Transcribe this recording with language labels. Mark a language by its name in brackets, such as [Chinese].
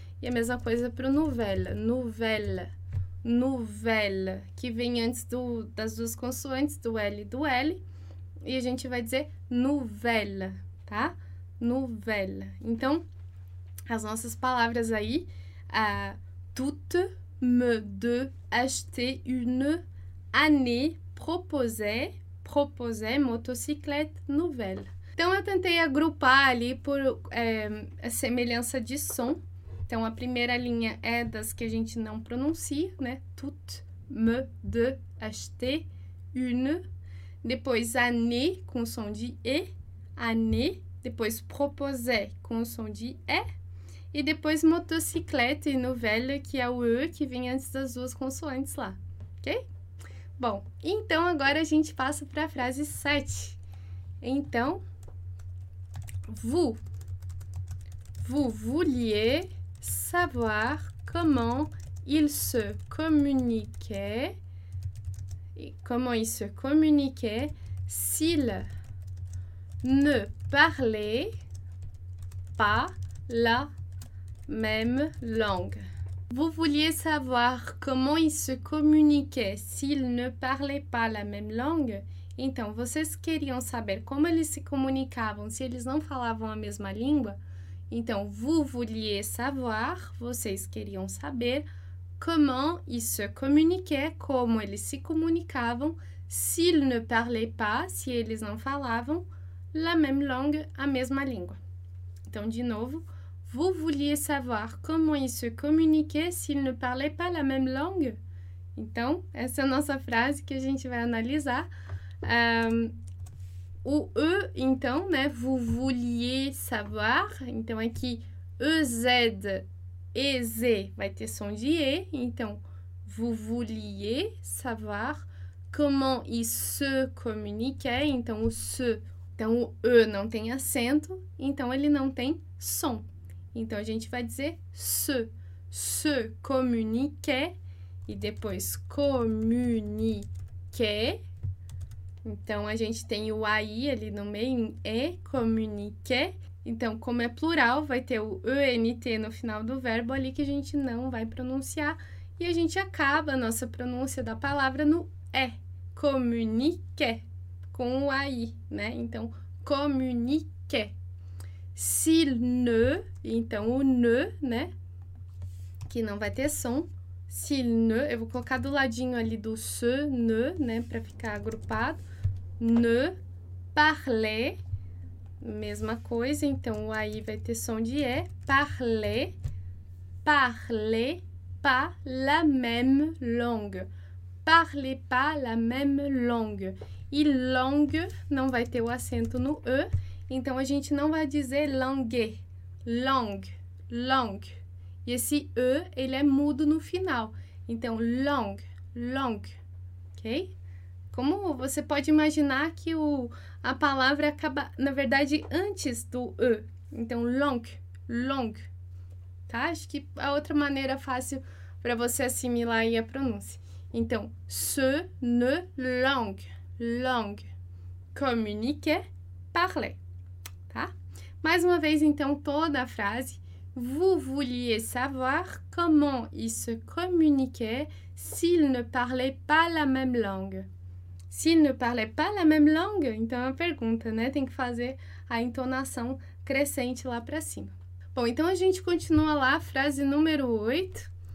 [Portuguese] E a mesma coisa para o novela, novela, novela, que vem antes das duas consoantes, do L e do L. E a gente vai dizer novela, tá? Novela. Então, as nossas palavras aí, [French] tout me de acheter une. Année proposait motocyclette nouvelle. [Portuguese] Então eu tentei agrupar ali por a semelhança de som. Então a primeira linha é das que a gente não pronuncia, né? [French] Tout me de acheter une. [Portuguese] Depois année com som de e. Année. Depois proposait com som de e. E depois motocyclette e nouvelle, que é o e que vem antes das duas consoantes lá. Ok? Bom, então agora a gente passa para a frase 7. [French] Então, vous vouliez savoir comment ils se communiquaient. comment ils se communiquaient s'ils ne parlaient pas la même langue. Vous vouliez savoir comment ils se communiquaient s'ils ne parlaient pas la même langue? [Portuguese] Então, vocês queriam saber como eles se comunicavam se eles não falavam a mesma língua? Então, [French] vous vouliez savoir, [Portuguese] vocês queriam saber [French] comment ils se communiquaient, [Portuguese] como eles se comunicavam [French] s'ils ne parlaient pas, [Portuguese] se eles não falavam [French] la même langue, [Portuguese] a mesma língua. [French] Então, de novo, vous vouliez savoir comment ils se communiquaient s'ils ne parlaient pas la même langue? [Portuguese] Então, essa é a nossa frase que a gente vai analisar. O e, então, né? [French] Vous vouliez savoir. [Portuguese] Então, aqui, EZ, EZ, vai ter som de E. [French] Então, vous vouliez savoir comment ils se communiquaient. [Portuguese] Então, o se, então, o e não tem acento. Então, ele não tem som. Então, a gente vai dizer se. Se communiquaient. E depois, communiquaient. Então, a gente tem o AI ali no meio, e, communiquer. Então, como é plural, vai ter o ENT no final do verbo ali que a gente não vai pronunciar. E a gente acaba a nossa pronúncia da palavra no E, communiquer, com o AI, né? Então, communiquer. S'il ne, então o ne, né? Que não vai ter som. S'il ne, eu vou colocar do ladinho ali do se, ne, né? Para ficar agrupado. Ne parlait, mesma coisa, então o aí vai ter som de E. [French] Parlait, parlait pas la même langue. Parlait pas la même langue. [Portuguese] E langue não vai ter o acento no E, então a gente não vai dizer langue, langue, langue. E esse E, ele é mudo no final. Então, langue, langue, ok? Como você pode imaginar que a palavra acaba, na verdade, antes do E. Então, long, long. Tá? Acho que a outra maneira fácil para você assimilar aí a pronúncia. Então, se, ne, long, long. Communiquer, parler. Tá? Mais uma vez, então, toda a frase. [French] Vous vouliez savoir comment ils se communiquaient s'ils ne parlaient pas la même langue. S'il ne parlait pas la même langue, [Portuguese] então é uma pergunta, né? Tem que fazer a entonação crescente lá para cima. Bom, então a gente continua lá, frase número 8.